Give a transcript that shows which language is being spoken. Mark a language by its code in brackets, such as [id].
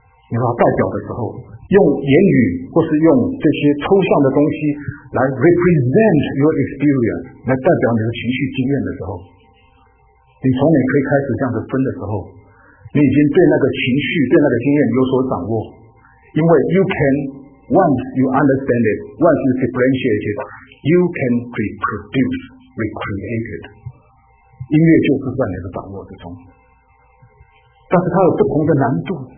[zh] 你把它代表的时候，用言语或是用这些抽象的东西来 [en] represent your experience， [zh] 来代表你的情绪经验的时候，你从你可以开始这样子分的时候，你已经对那个情绪、对那个经验有所掌握，因为 [en] you can。 Once you understand it, once you differentiate it, you can reproduce, recreate it. [zh] 音乐就是在你的掌握之中，但是它有不同的难度。